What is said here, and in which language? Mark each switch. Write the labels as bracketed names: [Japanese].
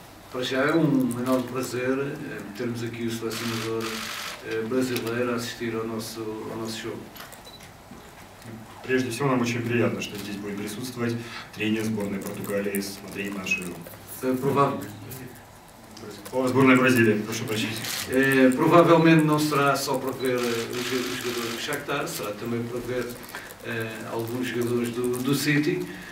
[Portuguese] Para já é um enorme prazer termos aqui o selecionador brasileiro a assistir ao nosso show. [Russian] Прежде всего, нам очень приятно, что здесь будет присутствовать тренер сборной Португалии, смотреть нашу... [Portuguese] Provavelmente. Ou [Russian] сборная Бразилии, прошу прощения. [Portuguese] Provavelmente não será só para ver os jogadores do Shakhtar, será também para ver alguns jogadores do City.